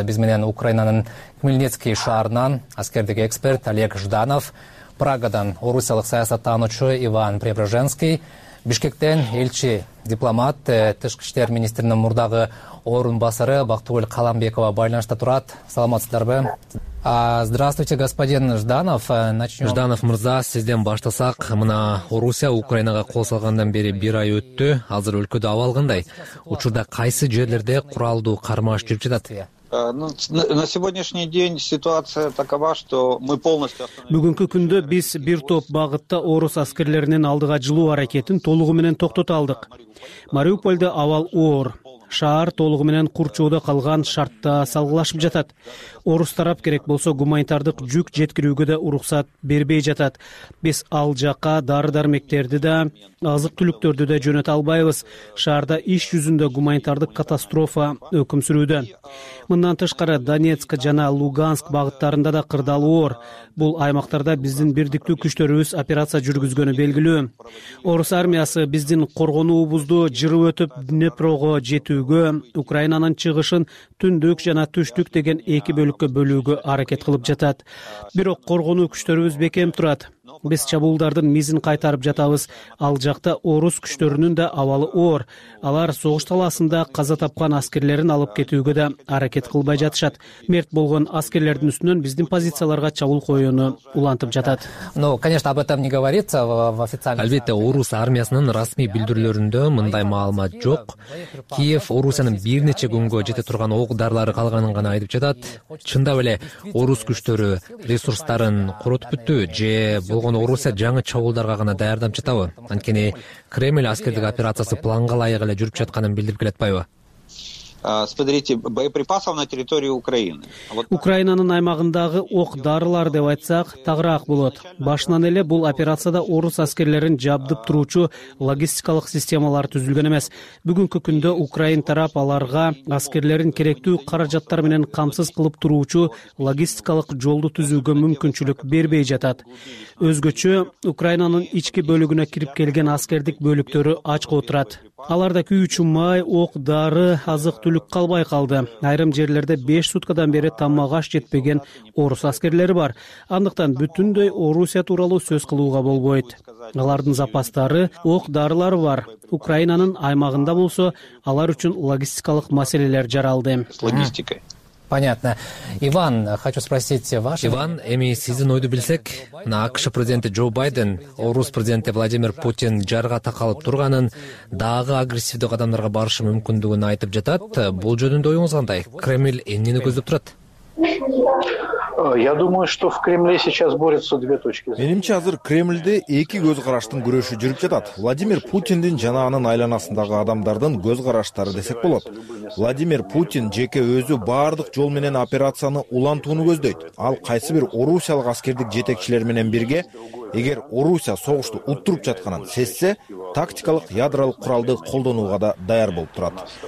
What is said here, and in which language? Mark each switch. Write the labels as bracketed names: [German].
[Kyrgyz] Биз менен Украинанын Хмельницкий шаарынан аскердик эксперт Олег Жданов, Прагадан орусиялык саясаттануучу Иван Преображенский, Бишкектен элчи дипломат, тышкы иштер министринин мурдагы орун басары Бактыгүл Каламбекова байланышта турат. Саламатсыздарбы? [Russian] Здравствуйте, господин Жданов. Начнем. [Kyrgyz] Жданов мырза, сизден баштасак, мына Орусия Украинага кол салгандан бери 1 ай өттү. Азыр өлкөдө абал кандай? Учурда кайсы жерлерде куралдуу кармаш жүрүп жатат? [Russian] На сегодняшний день ситуация такова, что мы полностью остановились. [Kyrgyz] Бүгүнкү күндө биз бир топ багытта орус аскерлеринин алдыга жылуу аракетин толугу менен токтото алдык. Мариуполде абал оор. Шаар толугу менен курчоодо калган шартта салгылашып жатат. Орус тарап керек болсо гуманитардык жүк жеткирүүгө да уруксат бербей жатат. Биз ал жакка дары дармектерди да, азык түлүктөрдү да жөнөтө албайбыз. Шаарда иш жүзүндө гуманитардык катастрофа өкүм сүрүүдө. Мындан тышкары Донецк жана Луганск багыттарында да кырдаал оор. Бул аймактарда биздин бирдиктүү күчтөрүбүз операция жүргүзгөнү белгилүү. Орус армиясы биздин коргонуубузду жырып өтүп Днепрого жетип Украинанын чыгышын түндүк жана түштүк деген эки бөлүккө бөлүүгө аракет кылып жатат. Бирок коргонуу күчтөрүбүз бекем турат. Биз чабуулдардын мизин кайтарып жатабыз. Ал жакта орус күчтөрүнүн да абалы оор. Алар согуш талаасында каза тапкан аскерлерин алып кетүүгө да аракет кылбай жатышат. Мерт болгон аскерлердин үстүнөн биздин позицияларга чабуул коюуну улантып жатат. [Russian] Ну, конечно, об этом не говорится в официальных. [Kyrgyz] Албетте, орус армиясынын расмий билдирүүлөрүндө мындай маалымат жок. Киев Орусиянын бир нече күнгө жете турган ок дарылары калганын гана айтып жатат. Чындап эле орус күчтөрү ресурстарын куротуп бүттү же болгону Орусия жаңы чабуулдарга гана даярданып жатабы? Анткени Кремль аскердик операциясы планга ылайык эле жүрүп жатканын билдирип келе атпайбы? [Russian] Смотрите, боеприпасов на территории Украины. [Kyrgyz] Украинанын аймагындагы ок дарылар деп айтсак, тагыраак болот. Башынан эле бул операцияда орус аскерлерин жабдып туруучу логистикалык системалар түзүлгөн эмес. Бүгүнкү күндө Украин тарап аларга аскерлерин керектүү каражаттар менен камсыз кылып туруучу логистикалык жолду түзүүгө мүмкүнчүлүк бербей жатат. Өзгөчө, Украинанын ички бөлүгүнө кирип келген аскердик бөлүктөрү ач отурат. Аларда күйүүчү май, ок, дары, азык түлүк калбай калды. Айрым жерлерде 5 суткадан бери тамак аш жетпеген орус аскерлери бар. Андыктан бүтүндөй Орусия тууралуу сөз кылууга болбойт. Алардын запастары, ок, дарылары бар. Украинанын аймагында болсо, алар үчүн логистикалык маселелер жаралды. [Russian] Понятно. Иван, хочу спросить ваше. [Kyrgyz] Иван, эми сиздин ойду билсек, мына АКШ президенти Джо Байден, Орус президенти Владимир Путин жарга такалып турганын, дагы агрессивдүү адамдарга барышы мүмкүндүгүн айтып жатат. Бул жөнүндө оюңуз кандай? Кремль эмнени көздөп турат? [Russian] Я думаю, что в Кремле сейчас борются две точки зрения. [Kyrgyz] Менимче азыр Кремлде эки көз караштын күрөшү жүрүп жатат. Владимир Путиндин жана анын айланасындагы адамдардын көз караштары десек болот. Владимир Путин жеке өзү бардык жол менен операцияны улантууну көздөйт. Ал кайсы бир орусиялык аскердик жетекчилер менен бирге, эгер Орусия согушту уттуруп жатканын сезсе, тактикалык ядролук куралды колдонууга да даяр болуп турат.